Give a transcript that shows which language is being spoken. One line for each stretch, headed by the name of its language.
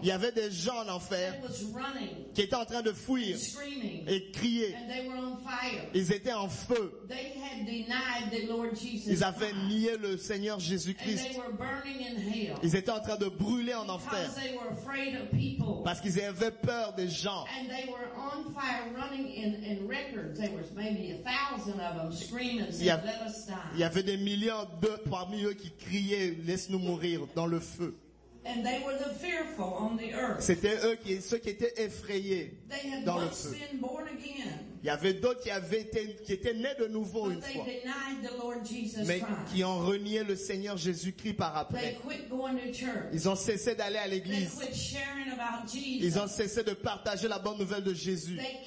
French: Il y avait des gens en enfer qui étaient en train de fuir et crier.
English: And they were on fire.
French: Ils étaient en feu.
English: They had denied the Lord Jesus.
French: Ils avaient nié le Seigneur Jésus-Christ.
English: And they were burning in hell.
French: Ils étaient en train de brûler en enfer.
English: Because they were afraid of people.
French: Parce qu'ils avaient peur des gens.
English: And they were on fire running in records. There was maybe 1,000 of them screaming and said, "Let us die."
French: Il y avait des millions de parmi eux qui criaient, laisse-nous mourir dans le feu.
English: And they were the fearful on the earth.
French: C'était ceux qui étaient effrayés
English: they had
French: dans le feu.
English: Been born again.
French: Il y avait d'autres qui étaient nés de nouveau une fois. Mais qui ont renié le Seigneur Jésus-Christ par après. Ils ont cessé d'aller à l'église. Ils ont cessé de partager la bonne nouvelle de Jésus.